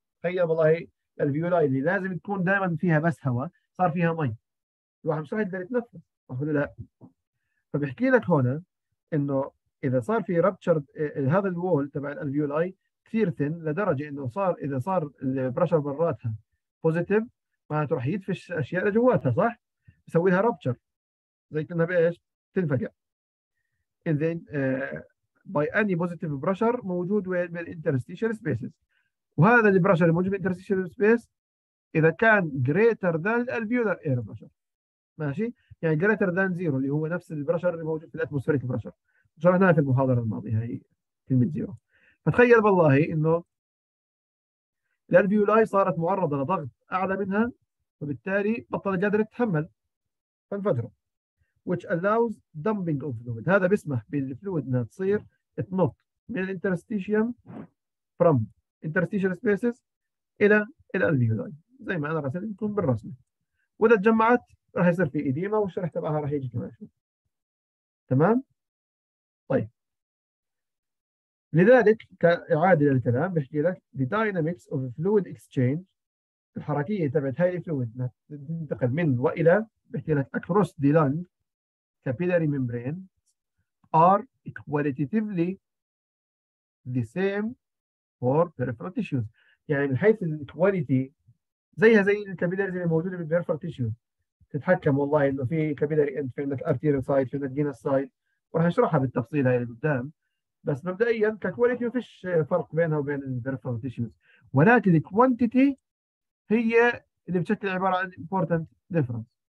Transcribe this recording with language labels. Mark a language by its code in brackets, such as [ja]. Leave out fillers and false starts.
[ar] تخيل والله الفيولاي اللي لازم تكون دائما فيها بس هواء صار فيها مي، الواحد مش راح يقدر يتنفس، صح ولا لا؟ فبيحكي لك هون انه اذا صار في ربتشر هذا الوول تبع الالفيولاي كثير ثن لدرجه انه صار اذا صار البريشر براتها بوزيتيف معناته راح يدفش اشياء لجواتها، صح؟ يسوي لها ربتشر زي كانها بايش؟ تنفجع. [en] And then by any positive pressure [ar] موجود وين؟ [en] بالinterstitial spaces. [ar] وهذا اللي pressure الموجود بالinterstitial space إذا كان [en] greater than alveolar air pressure. [ar] ماشي؟ يعني [en] greater than zero [ar] اللي هو نفس ال pressure اللي موجود في الاتموسفيريك pressure. شرحناها في المحاضرة الماضية هي كلمة zero. فتخيل بالله إنه الالفيولاي صارت معرضة لضغط أعلى منها وبالتالي بطلت قادرة تتحمل فانفجرت. [en] which allows dumping of fluid. [ar] هذا بيسمح بالفلويد انها تصير تنط من الانترستيشيوم [en] from interstitial spaces [ar] الى الالفيولاي زي ما انا رسمت لكم بالرسمه. واذا تجمعت راح يصير في إديما والشرح تبعها راح يجي كمان شوي. تمام؟ طيب. [en] لذلك كاعاده للكلام بحكي لك the dynamics of fluid exchange [ar] الحركيه تبعت هاي الفلويد انها تنتقل من والى بحكي لك [en] across the lung capillary membranes are qualitatively the same for peripheral tissues. [ar] يعني من حيث الكواليتي زيها زي الكابيلاريز اللي موجوده بالبيرفرال تيشوز. تتحكم والله انه في كابيلاري اند، في عندك ارتيريال سايد، في عندك فينس سايد، وراح نشرحها بالتفصيل هاي اللي قدام. بس مبدئيا ككواليتي ما فيش فرق بينها وبين البيرفرال تيشوز، ولكن الكوانتيتي هي اللي بتشكل عباره عن [en] important difference.